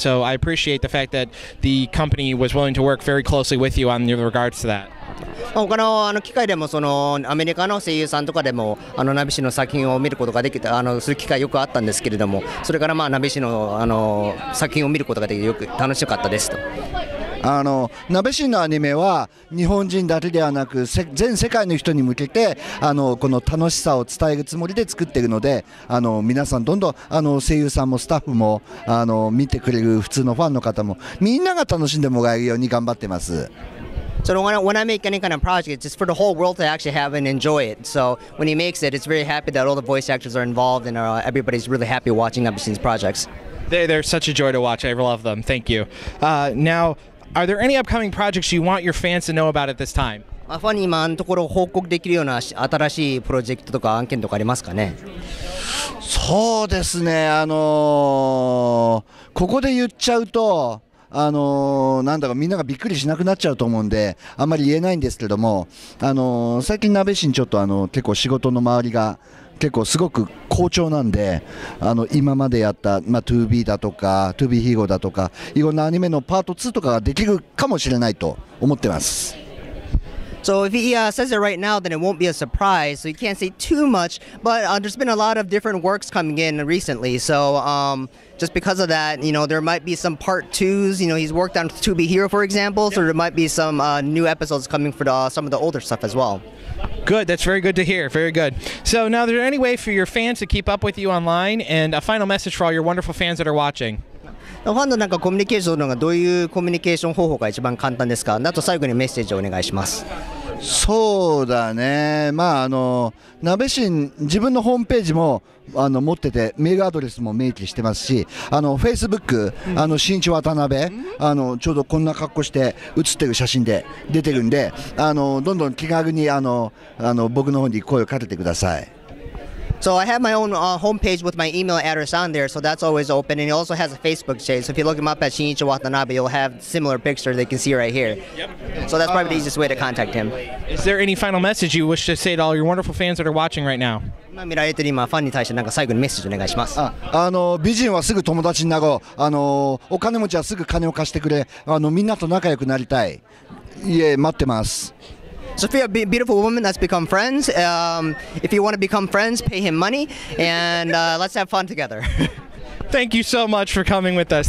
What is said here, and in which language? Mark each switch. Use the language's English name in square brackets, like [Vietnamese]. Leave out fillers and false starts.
[English] So I appreciate the fact that the company was willing to work very closely with you on your regards to that. [Japanese] 他の機会でもそのアメリカの声優さんとかでもナビシの作品を見ることができた、する機会よくあったんですけれども、それからまあナビシの作品を見ることができてよく楽しかったですと。ナベシンのアニメは日本人だけではなく全世界の人に向けてこの楽しさを伝えるつもりで作っているので、皆さんどんどん声優さんもスタッフも見てくれる普通のファンの方もみんなが楽しんでもらえるように頑張ってます。 [English] So when I make any kind of project, it's just for the whole world to actually have and enjoy it. So when he makes it, it's very happy that all the voice actors are involved and everybody's really happy watching Nabeshin's projects. They're such a joy to watch. I love them. Thank you. Now, are there any upcoming projects you want your fans to know about at this time? [Japanese] ファンに今のところ報告できるような新しいプロジェクトとか案件とかありますかね？そうですね。ここで言っちゃうと、なんだかみんながびっくりしなくなっちゃうと思うんで、あんまり言えないんですけども、最近鍋市にちょっと結構仕事の周りが結構すごく好調なんで、今までやった、2B だとか 2B ヒーローだとかいろんなアニメのパート2とかができるかもしれないと思ってます。 [English] So if he says it right now, then it won't be a surprise, so you can't say too much, but there's been a lot of different works coming in recently, so just because of that, you know, there might be some part 2s, you know, he's worked on 2B Hero for example, so there might be some new episodes coming for some of the older stuff as well. Good, that's very good to hear, very good. So now, is there any way for your fans to keep up with you online, and a final message for all your wonderful fans that are watching? [Japanese] ファンのなんかコミュニケーションのがどういうコミュニケーション方法が一番簡単ですか？あと最後にメッセージをお願いします。そうだね、ナベシン、自分のホームページも持ってて、メールアドレスも明記してますし、フェイスブック、新一渡辺、ちょうどこんな格好して写ってる写真で出てるんで、どんどん気軽に僕の方に声をかけてください。 [English] So I have my own homepage with my email address on there, so that's always open, and it also has a Facebook page, so if you look him up at Shinichi Watanabe, you'll have similar pictures they can see right here. So that's probably the easiest way to contact him. Is there any final message you wish to say to all your wonderful fans that are watching right now? [Japanese] 今見られてる今ファンに対してなんか最後にメッセージお願いします。美人はすぐ友達になろう、お金持ちはすぐ金を貸してくれ、みんなと仲良くなりたい、いえ待ってます。 [English] So if you're a beautiful woman that's become friends, if you want to become friends, pay him money, and let's have fun together. Thank you so much for coming with us.